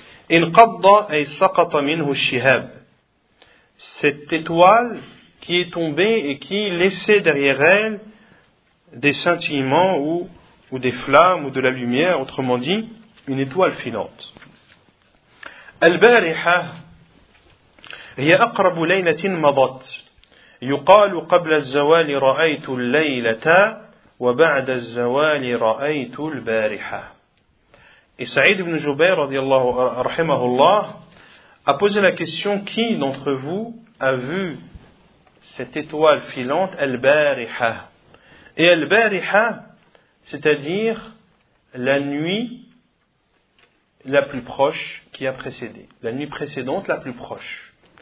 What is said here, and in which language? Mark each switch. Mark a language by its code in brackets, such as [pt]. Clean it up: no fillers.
[ar] Inqadda ay saqata minhu ash-shihab. [fr] Cette étoile qui est tombée et qui laissait derrière elle des scintillements ou des flammes ou de la lumière, autrement dit, une étoile filante. [ar] Al-Bariha هي أقرب ليلة مضت يقال قبل الزوال رأيت الليلة وبعد الزوال رأيت البارحة. [fr] Et Saïd ibn Jubayr رضي الله رحمه الله a posé la question, qui d'entre vous a vu cette étoile filante البارحة? Et البارحة, c'est-à-dire la nuit la plus proche qui a précédé, la nuit précédente la plus proche.